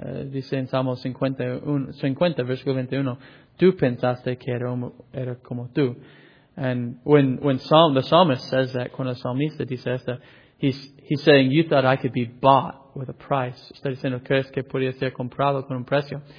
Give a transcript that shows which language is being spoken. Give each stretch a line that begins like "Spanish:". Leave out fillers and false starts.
Spanish: Dice en Salmo 50, versículo 21, tú pensaste que era como tú.
English: And when the psalmist says that,
Spanish: cuando el psalmista dice esto,
English: he's saying, you thought I could be bought with a price.
Spanish: Está diciendo, ¿crees que podía ser comprado con un precio?